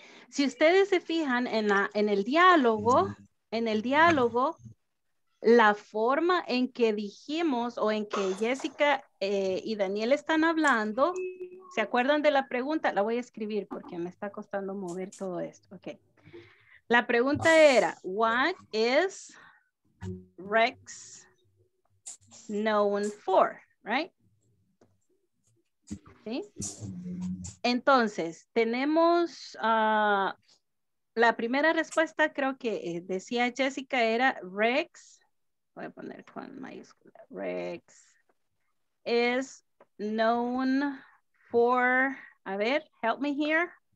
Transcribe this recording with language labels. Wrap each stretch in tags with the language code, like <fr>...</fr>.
<es>Si ustedes se fijan en el diálogo, la forma en que dijimos o en que Jessica y Daniel están hablando, ¿se acuerdan de la pregunta? La voy a escribir porque me está costando mover todo esto, okay. La pregunta era,</es> <en>what is Rex known for, right?</en> <es>¿Sí? Entonces, tenemos la primera respuesta, creo que decía Jessica, era Rex. Voy a poner con mayúscula.</es> <en>Rex is known for,</en> <es>a ver,</es> <en>help me here.</en>